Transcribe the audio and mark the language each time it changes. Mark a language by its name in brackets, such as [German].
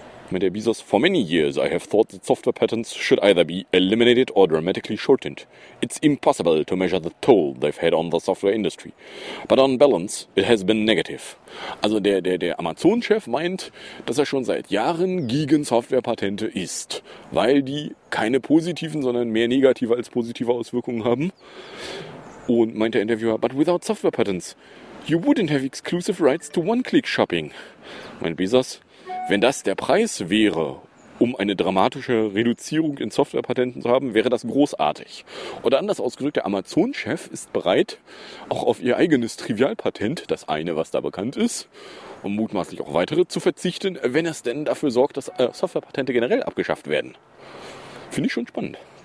[German] Mit der [English] Bezos, for many years I have thought that software patents should either be eliminated or dramatically shortened. It's impossible to measure the toll they've had on the software industry. But on balance, it has been negative. [German] Also der Amazon-Chef meint, dass er schon seit Jahren gegen Softwarepatente ist, weil die keine positiven, sondern mehr negative als positive Auswirkungen haben. Und meint der Interviewer, [English] but without software patents, you wouldn't have exclusive rights to One-Click-Shopping. [German] Mein Bezos, wenn das der Preis wäre, um eine dramatische Reduzierung in Softwarepatenten zu haben, wäre das großartig. Oder anders ausgedrückt, der Amazon-Chef ist bereit, auch auf ihr eigenes Trivialpatent, das eine, was da bekannt ist, und mutmaßlich auch weitere, zu verzichten, wenn es denn dafür sorgt, dass Softwarepatente generell abgeschafft werden. Finde ich schon spannend.